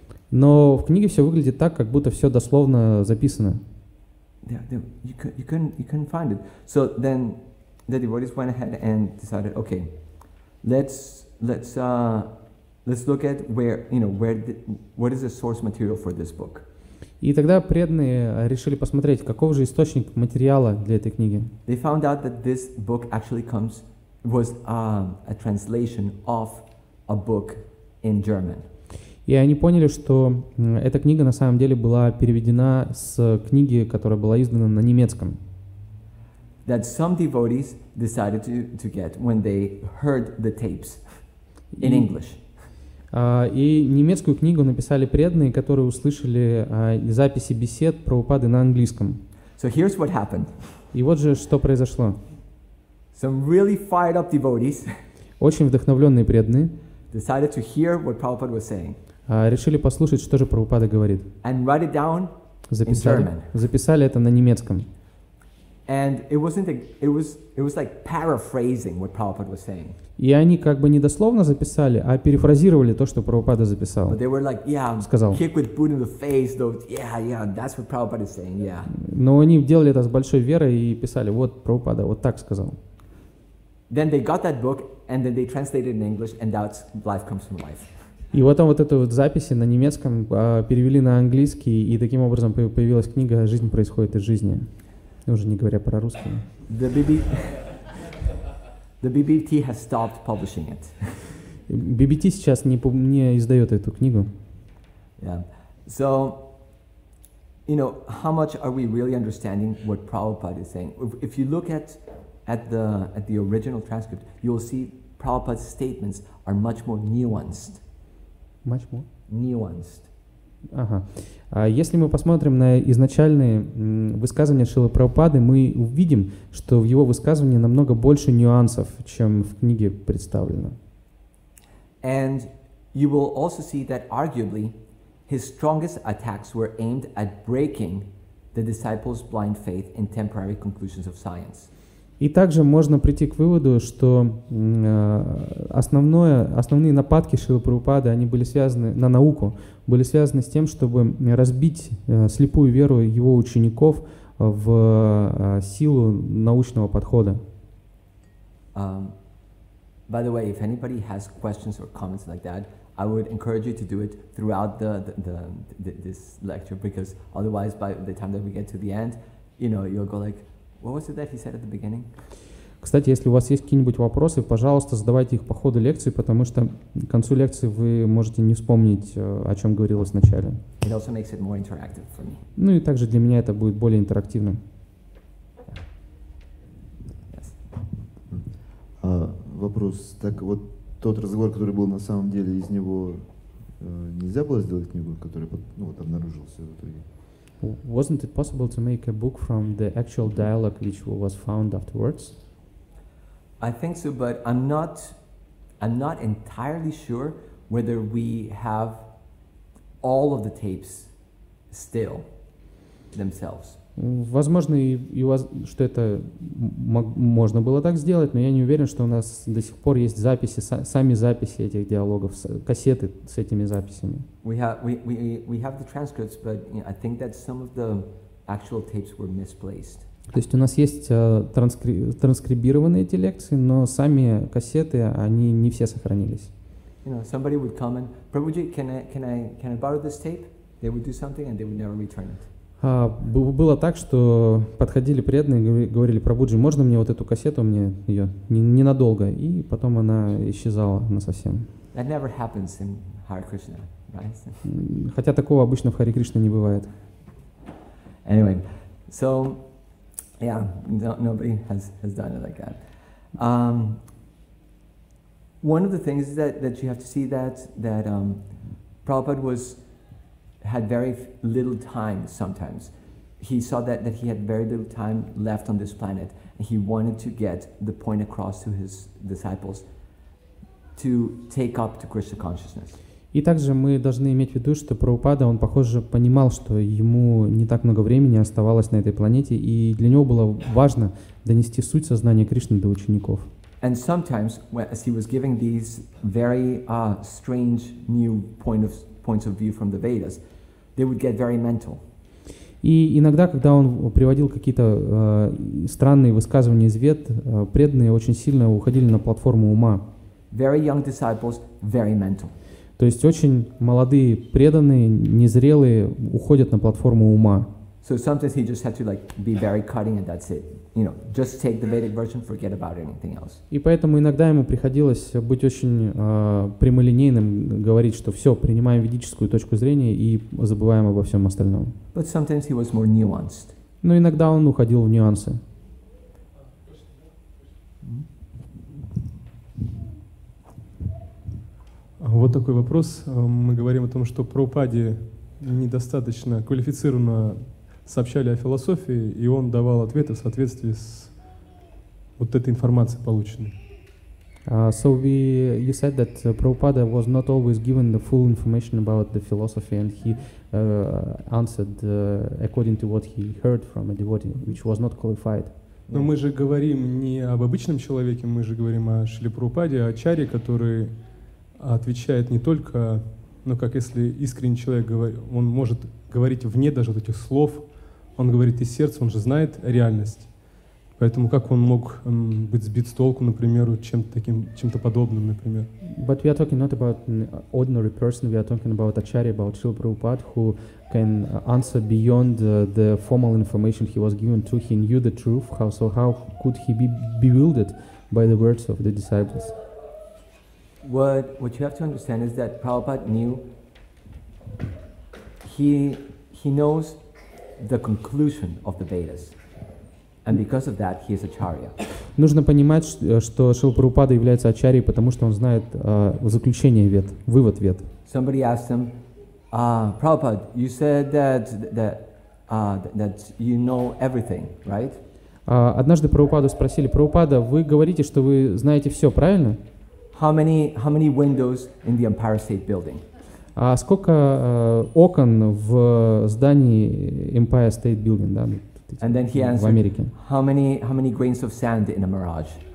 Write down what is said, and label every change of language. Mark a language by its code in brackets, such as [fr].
[ru] Но в книге все выглядит так, как будто все дословно записано. [en] You couldn't find it. So then the devotees went ahead and decided, okay, let's look at where, you know, where what is the source material for this book. [ru] И тогда преданные решили посмотреть, каков же источник материала для этой книги. [en] They found out that this book actually was a translation of a book in German. [ru] И они поняли, что эта книга на самом деле была переведена с книги, которая была издана на немецком. [en] That some devotees decided to get when they heard the tapes in English. [ru] И немецкую книгу написали преданные, которые услышали записи бесед Прабхупады на английском. [en] So here's what happened. [ru] И вот же что произошло. [en] Some really fired up devotees. [ru] Очень вдохновленные преданные. [en] Decided to hear what Prabhupada was saying. [ru] Решили послушать, что же Прабхупада говорит. [en] And write it down [ru] записали, [en] in German. [ru] Записали это на немецком. [en] And it was like paraphrasing what Prabhupada was saying. [ru] И они как бы не дословно записали, а перефразировали то, что Прабхупада записал. [en] But they were like, yeah, [ru] сказал. [en] Kick with boot in the face, though. Yeah, that's what Prabhupada is saying. Yeah. [ru] Но они делали это с большой верой и писали, вот Прабхупада вот так сказал. [en] Then they got that book and then they translated it in English and that's life comes from life. [ru] И вот там вот эту вот запись на немецком перевели на английский, и таким образом появилась книга «Жизнь происходит из жизни», уже не говоря про русский. [en] The BBT has stopped publishing it. [ru] BBT сейчас не издает эту книгу. [en] Yeah. So, you know, how much are we really understanding what Prabhupada is saying? If you look at the original transcript, you'll see Prabhupada's statements are much more nuanced. Much more nuanced. [ru] Ага. Если мы посмотрим на изначальные высказывания Шрилы Прабхупады, мы увидим, что в его высказывании намного больше нюансов, чем в книге представлено. [en] And you will also see that arguably his strongest attacks were aimed at breaking the disciples' blind faith in temporary conclusions of science. [ru] И также можно прийти к выводу, что основные нападки Шрилы Прабхупады, они были связаны на науку, были связаны с тем, чтобы разбить слепую веру его учеников в силу научного подхода. [en] By the way, if anybody has questions or comments like that, I would encourage you to do it throughout this lecture, because otherwise, by the time that we get to the end, you know, you'll go like, what was it that he said at the beginning? [ru] Кстати, если у вас есть какие-нибудь вопросы, пожалуйста, задавайте их по ходу лекции, потому что к концу лекции вы можете не вспомнить, о чем говорилось в начале. [en] It also makes it more interactive for me. [ru] Ну и также для меня это будет более интерактивным. [en] Yes. [ru] Вопрос. Так вот, тот разговор, который был на самом деле, из него нельзя было сделать книгу, которая обнаружился в итоге? [en] Wasn't it possible to make a book from the actual dialogue which was found afterwards? I think so, but I'm not entirely sure whether we have all of the tapes still themselves. [ru] Возможно, что это можно было так сделать, но я не уверен, что у нас до сих пор есть записи, сами записи этих диалогов, кассеты с этими записями. [en] We have the transcripts, but you know, I think that some of the actual tapes were misplaced. [ru] То есть у нас есть транскрибированные эти лекции, но сами кассеты, они не все сохранились. [en] You know, somebody would come and, Prabhuji, can I borrow this tape? They would do something and they would never return it. [ru] Было так, что подходили преданные, говорили: «Прабуджи, можно мне вот эту кассету, мне ее ненадолго?» И потом она исчезала насовсем. [en] That never happens in Hare Krishna, right? [ru] Хотя такого обычно в Харе Кришне не бывает. [en] Anyway, so, yeah, nobody has done it like that. One of the things that you have to see that Prabhupada had very little time sometimes. He saw that he had very little time left on this planet, and he wanted to get the point across to his disciples to take up to Krishna consciousness. [ru] И также мы должны иметь в виду, что Прабхупада, он, похоже, понимал, что ему не так много времени оставалось на этой планете, и для него было важно донести суть сознания Кришны до учеников. [en] And sometimes, as he was giving these very strange new points of view from the Vedas, they would get very mental. [ru] И иногда, когда он приводил какие-то странные высказывания из Вед, преданные очень сильно уходили на платформу ума. [en] Very young disciples, very mental. [ru] То есть очень молодые преданные, незрелые уходят на платформу ума. [en] So sometimes he just had to like be very cutting and that's it. You know, just take the Vedic version, forget about anything else. [ru] И поэтому иногда ему приходилось быть очень прямолинейным, говорить, что все, принимаем ведическую точку зрения и забываем обо всем остальном. [en] But sometimes he was more nuanced. [ru] Но иногда он уходил в нюансы. Вот такой вопрос. Мы говорим о том, что Прабхупаде недостаточно квалифицированно сообщали о философии, и он давал ответы в соответствии с вот этой информацией полученной. [en] You said that Prabhupada was not always given the full information about the philosophy, and he answered according to what he heard from a devotee, which was not qualified. [ru] Но мы же говорим не об обычном человеке, мы же говорим о Шриле Прабхупаде, о ачарье, который отвечает не только, ну как если искренний человек говорит, он может говорить вне даже вот этих слов. Он говорит из сердца, он же знает реальность. Поэтому как он мог быть сбит с толку, например, чем-то таким, чем-то подобным, например? [en] But we are talking not about an ordinary person. We are talking about Acharya, about Srila Prabhupada, who can answer beyond the formal information he was given to. He knew the truth. How so? How could he be bewildered by the words of the disciples? What you have to understand is that Prabhupada knew. He knows the conclusion of the Vedas. And because of that, he is Acharya. [ru] Нужно понимать, что Шрила Прабхупада является Ачарьей, потому что он знает заключение вед, вывод вед. [en] Somebody asked him, Prabhupada, you said that you know everything, right? [ru] Однажды Прабхупаду спросили, Прабхупада, вы говорите, что вы знаете все, правильно? [en] How many windows in the Empire State Building? [ru] А сколько окон в здании Empire State Building, да? [en] And then he answered, how many grains of sand in a mirage?